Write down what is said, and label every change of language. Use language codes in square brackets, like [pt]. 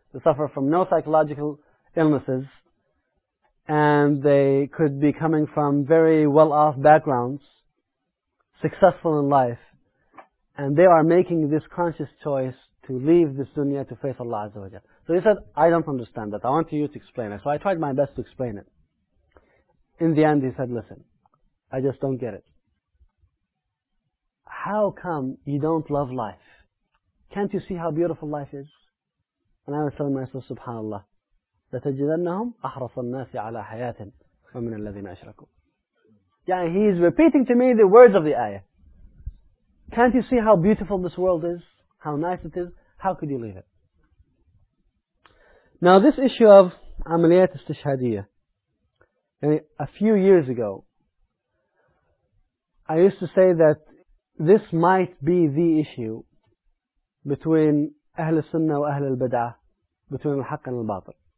[en] They suffer from no psychological illnesses and they could be coming from very well-off backgrounds, successful in life, and they are making this conscious choice to leave this dunya to face Allah Azza wa Jalla. So he said, "I don't understand that. I want you to explain it." So I tried my best to explain it. In the end, he said, "Listen, I just don't get it. How come you don't love life? Can't you see how beautiful life is?" And I was telling myself, [ar] "Subhanallah, لَتَجِدَنَّهُمْ أَحْرَصَ النَّاسِ عَلَى حَيَاةٍ وَمِنَ الَّذِينَ أَشْرَكُوا." [en] Yeah, he's repeating to me the words of the ayah. Can't you see how beautiful this world is? How nice it is? How could you leave it? Now this issue of amaliyat istishhadiyya, a few years ago, I used to say that this might be the issue between Ahl al-Sunnah and Ahl al-Bid'ah, between al-Haqq and al-Batil.